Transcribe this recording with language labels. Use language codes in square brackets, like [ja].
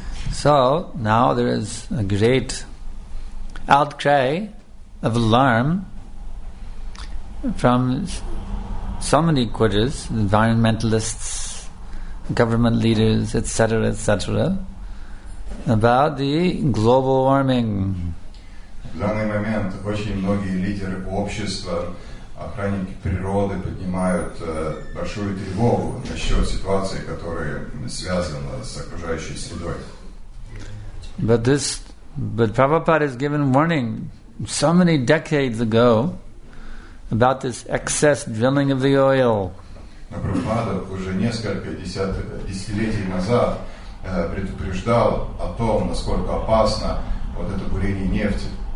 [en] So now there is a great outcry of alarm from so many quarters, environmentalists, government leaders, etc., etc., about the global warming. [ru] В данный момент очень многие лидеры общества, охранники природы поднимают большую тревогу насчет ситуации, которая связана с окружающей средой. [en] But Prabhupada has given warning so many decades ago about this excess drilling of the oil. [ru] Но Прабхупада уже несколько десятилетий назад предупреждал о том, насколько опасно вот это бурение нефти.